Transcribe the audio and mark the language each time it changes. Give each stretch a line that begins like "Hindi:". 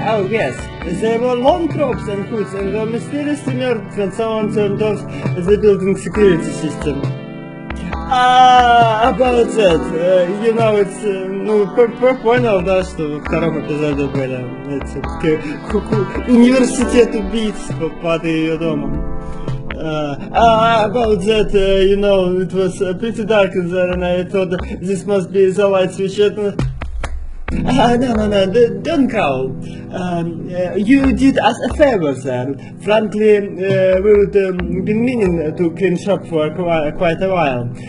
English: Yes. There were long ropes and hoods and were mysteriously murdered when someone turned off the building security system. About that.
Russian: Понял, да, что во втором эпизоде были эти университет убийц под ее домом.
English: About that, it was pretty dark in there and I thought this must be the light switch. No, don't call. You did us a favor then. Frankly, we would be meaning to clean shop for quite a while.